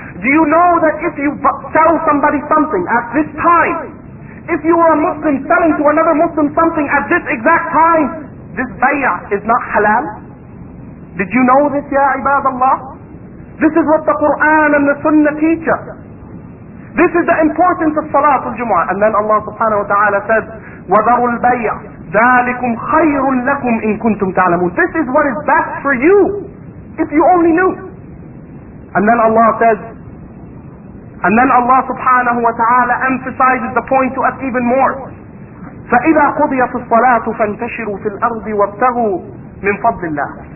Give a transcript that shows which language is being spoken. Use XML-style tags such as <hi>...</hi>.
<en>Do you know that if you sell somebody something at this time, if you are a Muslim selling to another Muslim something at this exact time, this bay'ah is not halal? Did you know this, ya ibadallah? This is what the Quran and the Sunnah teach us. This is the importance of Salat al-Jum'ah. And then Allah subhanahu wa ta'ala says,</en> <ar>وَذَرُوا الْبَيْعَ ذَلِكُمْ خَيْرٌ لَكُمْ إِن كُنْتُمْ تَعْلَمُونَ.</ar> <en>This is what is best for you, if you only knew. And then Allah says, and then Allah subhanahu wa ta'ala emphasizes the point to us even more.</en> <ar>فَإِذَا قُضِيَتُ الصَّلَاةُ فَانْتَشِرُوا فِي الْأَرْضِ وَابْتَغُوا مِنْ فَضْلِ اللَّهِ.</ar>